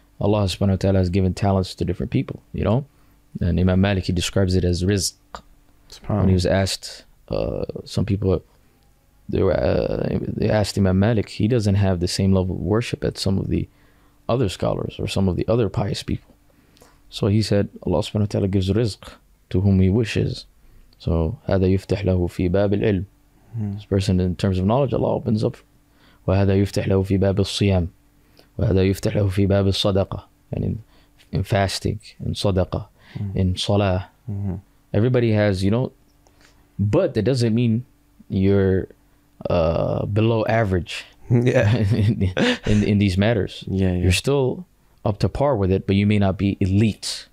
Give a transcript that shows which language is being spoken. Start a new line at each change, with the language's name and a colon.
English: Allah subhanahu wa ta'ala has given talents to different people, you know. And Imam Malik, he describes it as rizq. When he was asked... some people they asked Imam Malik, he doesn't have the same level of worship as some of the other scholars or some of the other pious people. So he said, Allah subhanahu wa ta'ala gives rizq to whom he wishes.
Arabic: So هذا يفتح له في باب العلم.
English: This person in terms of knowledge, Allah opens up.
Arabic: وهذا يفتح له في باب الصيام. وهذا يفتح له في باب الصدقة.
English: And in fasting, in صدقة, in salah. Mm-hmm. Everybody has, you know, but that doesn't mean you're below average yeah. in these matters. Yeah, yeah, you're still up to par with it, but you may not be elite.